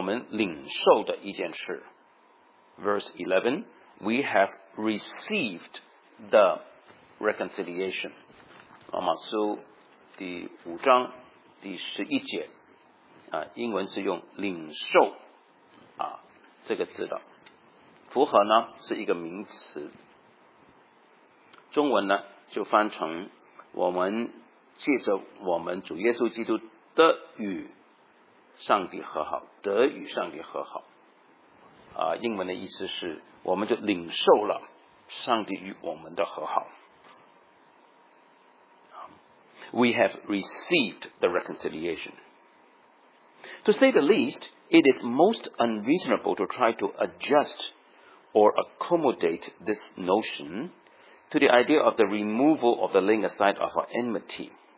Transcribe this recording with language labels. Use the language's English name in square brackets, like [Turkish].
[Chinese] 上帝与我们的复合是我们领受的一件事。 [English] Verse 11, we have received the reconciliation. [Chinese] 罗马书第五章第十一节, 英文是用领受这个字的。符合呢是一个名词，中文呢就翻成我们借着我们主耶稣基督得与上帝和好，得与上帝和好。英文的意思是我们就领受了上帝与我们的和好。 [English] We have received the reconciliation. To say the least, it is most unreasonable to try to adjust or accommodate this notion to the idea of the removal of the laying aside of our enmity.